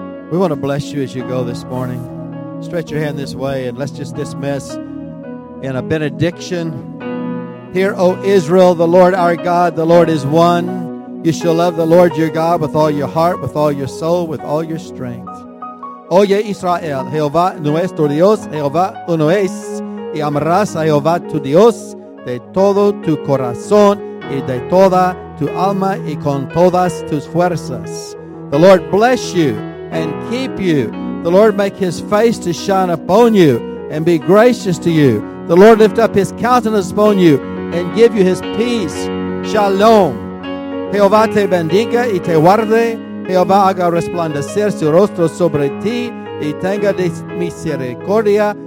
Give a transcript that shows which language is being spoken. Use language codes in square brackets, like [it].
[en] We want to bless you as you go this morning. Stretch your hand this way, and let's just dismiss in a benediction. Hear, O Israel, the Lord our God, the Lord is one. You shall love the Lord your God with all your heart, with all your soul, with all your strength. [es] Oye Israel, Jehová nuestro Dios, Jehová uno es, y amarás a Jehová tu Dios de todo tu corazón y de toda tu alma y con todas tus fuerzas. [en] The Lord bless you and keep you. The Lord make his face to shine upon you and be gracious to you. The Lord lift up his countenance upon you and give you his peace. [es] Shalom. Jehová te bendiga y te guarde. Jehová haga resplandecer su rostro sobre ti y tenga misericordia.